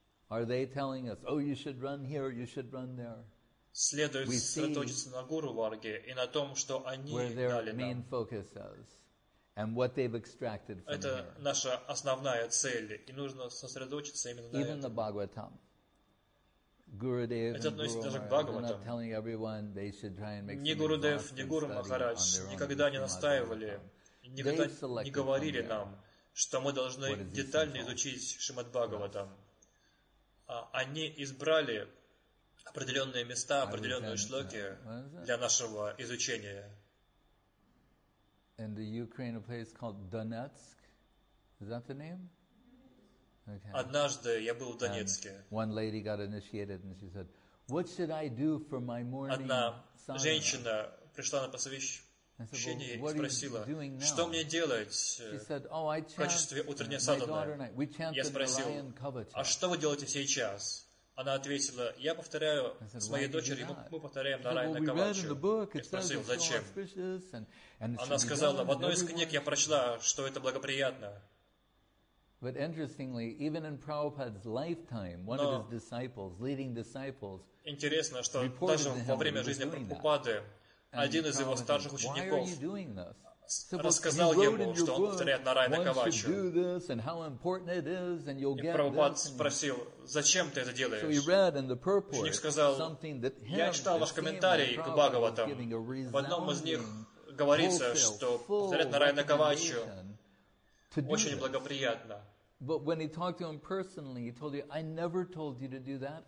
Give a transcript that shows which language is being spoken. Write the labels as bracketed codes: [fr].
[en] Are they telling us, oh, you should run here, you should run there? [ru] Следует сосредоточиться на Гуру Варге и на том, что они дали нам. [en] Where their main focus is and what they've extracted from here. [ru] Это наша основная цель, и нужно сосредоточиться именно на этом. [en] Even the Bhagavatam. Gurudev are not telling everyone they should try and make some effort. [ru] Ни Гурудев, ни Гуру Махарадж никогда не настаивали, никогда не говорили нам, что мы должны детально изучить Шримад Бхагаватам. Они избрали определенные места, определенные шлоки для нашего изучения. [en] In the Ukraine, a place called Donetsk. Is that the name? [ru] Okay. Однажды я был в Донецке. [en] One lady got initiated and she said, "What should I do for my morning?" [ru] Одна женщина пришла на посвящение, Мужчине я спросила, что мне делать в качестве утренней садханы. Я спросил, а что вы делаете сейчас? Она ответила, я повторяю с моей дочерью, мы повторяем Нарайана Кавачу. Я спросил, зачем? Она сказала, в одной из книг я прочла, что это благоприятно. [en] But interestingly, even in Prabhupada's lifetime, one of his disciples, leading disciples, [ru] интересно, что даже во время жизни Прабхупады один из его старших учеников рассказал ему, что он повторяет Нарайана Кавачу. И Прабхупад спросил, зачем ты это делаешь? Ученик сказал, я читал ваш комментарий к Бхагаватам. В одном из них говорится, что повторять Нарайана Кавачу очень благоприятно. [en] But when he talked to him personally, he told you, "I never told you to do that.